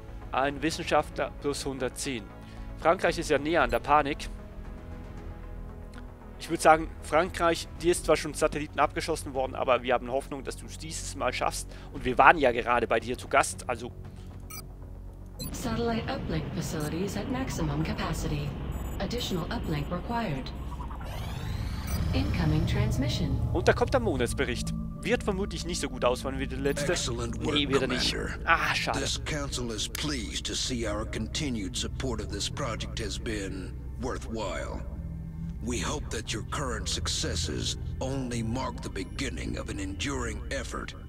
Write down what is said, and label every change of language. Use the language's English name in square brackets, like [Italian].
[German] Ein Wissenschaftler plus 110. Frankreich ist ja näher an der Panik. Ich würde sagen, Frankreich, dir ist zwar schon Satelliten abgeschossen worden, aber wir haben Hoffnung, dass du es dieses Mal schaffst. Und wir waren ja gerade bei dir zu Gast, also... [English] Satellite uplink facilities at maximum capacity. Additional uplink required. Incoming transmission. [German] Und da kommt der Monatsbericht. Wird vermutlich nicht so gut ausfallen wie der letzte. [English] Excellent work, [German] nee, wieder [English] Commander. [German] Nicht. Ah, schade. [English] This council is pleased to see our continued support of this project has been worthwhile. We hope that your current successes only mark the beginning of an enduring effort